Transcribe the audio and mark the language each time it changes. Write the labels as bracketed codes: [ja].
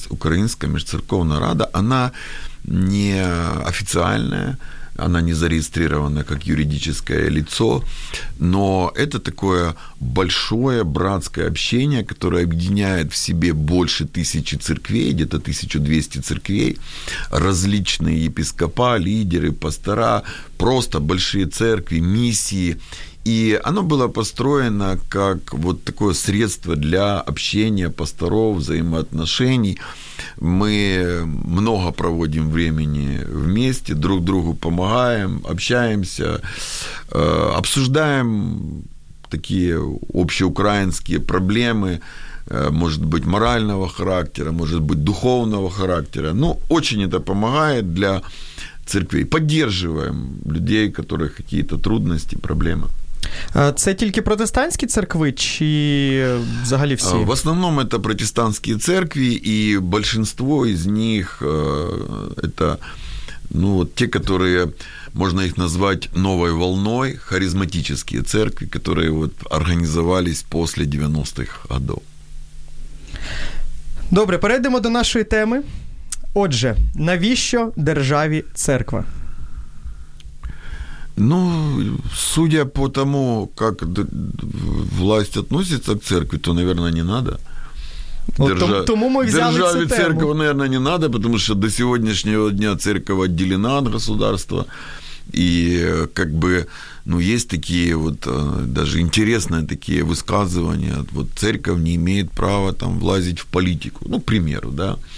[uk] Українська міжцерковна рада, вона не офіційна, вона не зареєстрована як юридичне лице, но це таке большое братське общення, яке об'єднує в собі більше тисячі церквей, десь 1200 церквей, различные єпископа, лідери, пастора, просто великі церкви, місії. І воно було построєно як вот таке [ru] средство для общения пасторов, взаимоотношений. Ми много проводим времени вместе, друг другу помогаем, общаемся, обсуждаем такие общеукраинские проблемы, может быть, морального характера, может быть, духовного характера. Ну, очень это помогает для церквей. Поддерживаем людей, у которых какие-то трудности, проблемы. [uk] Це тільки протестантські церкви чи взагалі всі? В основному це протестантські церкви, і більшість із них це, ну, ті, які можна їх назвати новою волною, харизматичні церкви, які от організувались після 90-х років. Добре, перейдемо до нашої теми. Отже, навіщо державі церква? [ru] Ну, судя по тому, как власть относится к церкви, то, наверное, не надо. [uk] Тому ми взяли державі церкви, [ru] наверное, не надо, потому что до сегодняшнего дня церковь отделена от государства. И как бы, ну, есть такие вот даже интересные такие высказывания, вот церковь не имеет права там влазить в политику, ну, к примеру, да.